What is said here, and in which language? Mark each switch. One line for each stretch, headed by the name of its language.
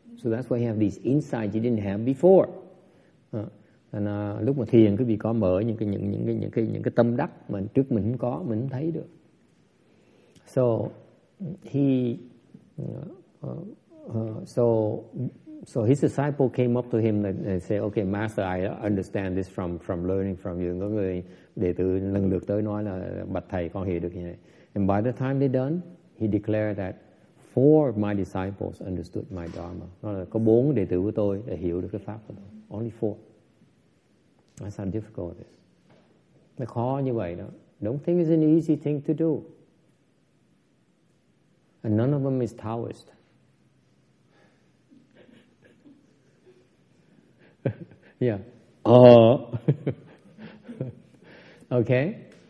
English: So that's why you have these insights you didn't have before.
Vietnamese: And, lúc mà thiền cứ bị có mở những cái tâm đắc mà trước mình không có, mình không thấy được.
English: So he so his disciple came up to him and say, okay, master, I understand this from learning from you.
Vietnamese: Có người đệ tử lần lượt tới nói là bạch thầy, con hiểu được như này.
English: And by the time they done, he declared that four of my disciples understood my dharma.
Vietnamese: Nó là có bốn đệ tử của tôi đã hiểu được cái pháp của tôi.
English: Only four. That's how difficult it is.
Vietnamese: Nó khó như vậy đó.
English: Don't think it's an easy thing to do. And none of them is Taoist. Yeah. Okay.